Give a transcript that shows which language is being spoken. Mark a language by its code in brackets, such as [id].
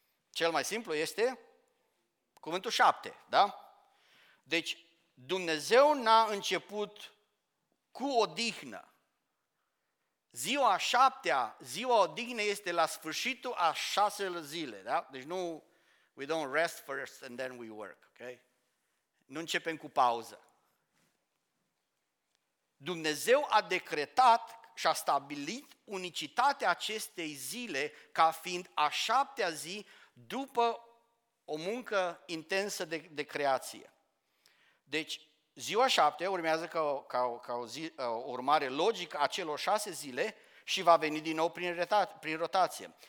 [ro] Cel mai simplu este cuvântul 7, da? Deci, Dumnezeu n-a început cu odihnă. Ziua a șaptea, ziua odihnă este la sfârșitul a șasele zile, da? Deci nu, [en] we don't rest first and then we work, ok? [ro] Nu începem cu pauză. Dumnezeu a decretat și a stabilit unicitatea acestei zile ca fiind a șaptea zi după o muncă intensă de creație. Deci, ziua șapte urmează ca o urmare logică a celor șase zile și va veni din nou prin rotație.